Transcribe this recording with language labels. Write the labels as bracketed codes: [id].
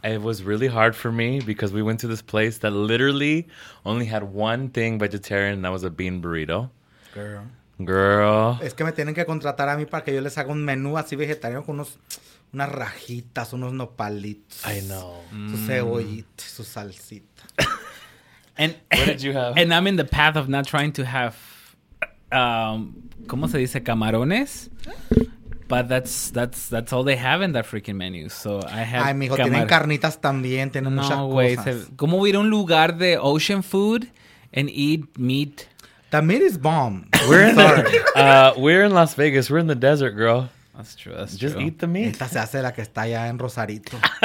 [en] It was really hard for me because we went to this place that literally only had one thing vegetarian, and that was a bean burrito. Girl. [es] Es que me tienen que contratar a mí para que yo les haga un menú así vegetariano con unos... Unas rajitas, unos nopalitos. [en] I know. [es] Su cebollita, su salsita. [en] And what did you have? And I'm in the path of not trying to have, [es] ¿cómo se dice? Camarones. [en] But that's all they have in that freaking menu. So I have. [es] Ay, mijo, tienen carnitas también, tienen muchas cosas. [en] No way. [es] ¿Cómo ir a un lugar de [en] ocean food and eat meat? The meat is bomb. We're in Las Vegas. We're in the desert, girl. That's true, that's just true. Eat the meat. [es] Esta se hace la que está allá en Rosarito.